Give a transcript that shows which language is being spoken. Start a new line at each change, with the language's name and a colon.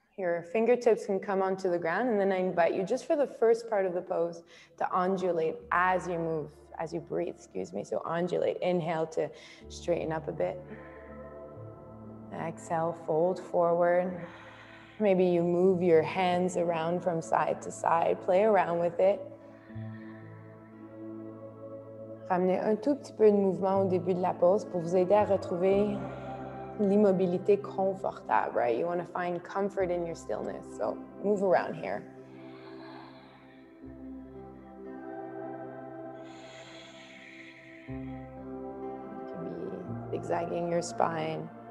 English: Your fingertips can come onto the ground and then I invite you just for the first part of the pose to undulate as you move, as you breathe, excuse me. So undulate, inhale to straighten up a bit. Exhale, fold forward. Maybe you move your hands around from side to side, play around with it.
French: Ramenez un tout petit peu de mouvement au début de la pause pour vous aider à retrouver l'immobilité confortable, right?
English: You want to find comfort in your stillness, so move around here. You can be zigzagging your spine.